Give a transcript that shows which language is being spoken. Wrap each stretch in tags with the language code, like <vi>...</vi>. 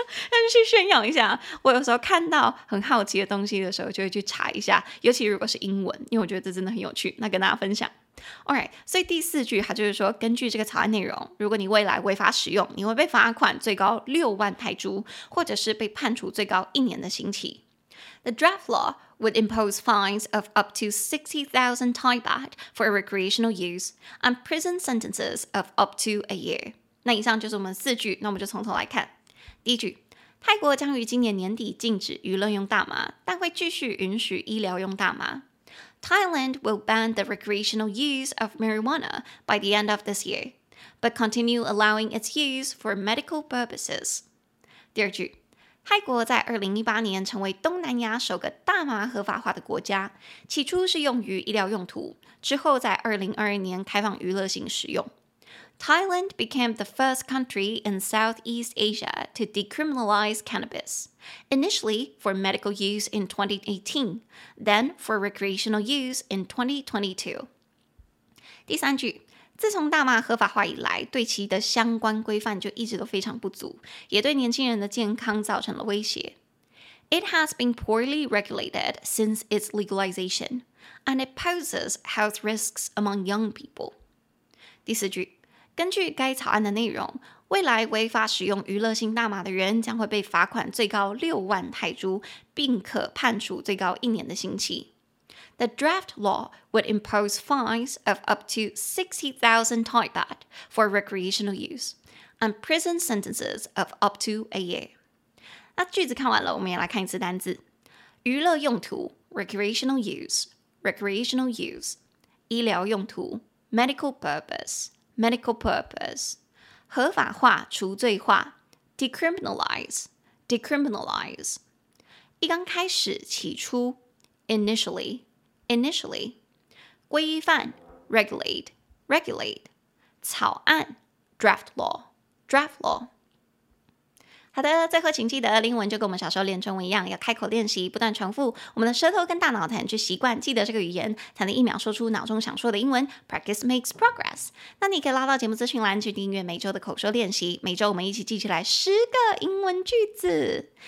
<zh>那就去炫耀一下。我有时候看到很好奇的东西的时候就会去查一下，尤其如果是英文，因为我觉得这真的很有趣，那跟大家分享。</zh> <en>Alright,</en> <zh>所以第四句它就是说，根据这个草案内容，如果你未来违法使用，你会被罚款最高60,000泰铢，或者是被判处最高1年的刑期。</zh> <en>The draft law would impose fines of up to 60,000 Thai baht for recreational use and prison sentences of up to a year.</en> <zh>那以上就是我们四句，那我们就从头来看。第一句，泰国将于今年年底禁止娱乐用大麻，但会继续允许医疗用大麻。</zh> <en>Thailand will ban the recreational use of marijuana by the end of this year, but continue allowing its use for medical purposes.</en> <zh>第二句，泰国在2018年成为东南亚首个大麻合法化的国家，起初是用于医疗用途，之后在2022年开放娱乐性使用。</zh> <en>Thailand became the first country in Southeast Asia to decriminalize cannabis, initially for medical use in 2018, then for recreational use in 2022.</en> <zh>第三句，自从大麻合法化以来，对其的相关规范就一直都非常不足，也对年轻人的健康造成了威胁。</zh> <en>It has been poorly regulated since its legalization, and it poses health risks among young people.</en> <zh>第四句，根据该草案的内容，未来违法使用娱乐性大麻的人将会被罚款最高60,000泰铢，并可判处最高1年的刑期。</zh> <en>The draft law would impose fines of up to 60,000 Thai baht for recreational use and prison sentences of up to a year.</en> <zh>那句子看完了，我们也来看一次单字。</zh> <en>娱乐用途 recreational use, recreational use. 医疗用途 medical purpose,medical purpose. 合法化除罪化 decriminalize, decriminalize.</en> <zh>一刚开始起初 initially, initially.</zh> <en>规范 regulate, regulate. 草案 draft law, draft law.</en> <zh>好的，最后请记得英文就跟我们小时候练中文一样，要开口练习，不断重复，我们的舌头跟大脑才能去习惯记得这个语言，才能一秒说出脑中想说的英文。</zh> <en>Practice makes progress。</en> <zh>那你可以拉到节目资讯栏去订阅每周的口说练习，每周我们一起记起来10个英文句子。</zh>